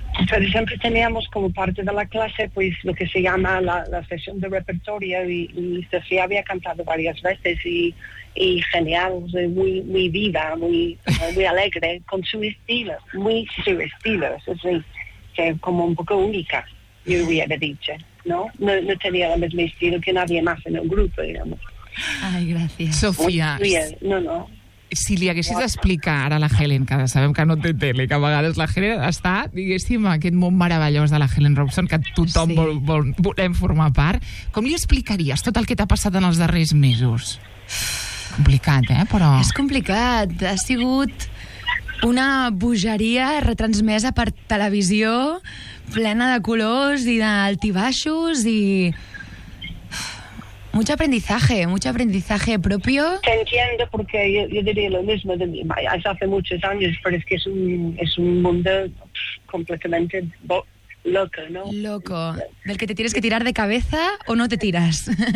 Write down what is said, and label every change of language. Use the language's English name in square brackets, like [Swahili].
[Spanish] Pero siempre teníamos como parte de la clase, pues, lo que se llama la sesión de repertorio y Sofía había cantado varias veces y genial, o sea, muy, muy viva, muy, muy alegre, con su estilo, muy su estilo, es decir, que como un poco única, yo hubiera dicho, ¿no? No tenía el mismo estilo que nadie más en el grupo, digamos. Ay, gracias. Sofía. Muy bien. No. [Catalan] Si li haguessis d'explicar ara a la Helen, que sabem que no té tele, que a vegades la Helen està, diguéssim, aquest món meravellós de la Helen Robson, que tothom volem formar part, com li explicaries tot el que t'ha passat en els darrers mesos? Complicat, però... És complicat. Ha sigut una bogeria retransmesa per televisió, plena de colors i d'altibaixos i... [Spanish] Mucho aprendizaje propio. Te entiendo porque yo diría lo mismo de mí. Es hace muchos años, pero es que es un mundo completamente loco, ¿no? Loco. Del que te tienes que tirar de cabeza o no te tiras.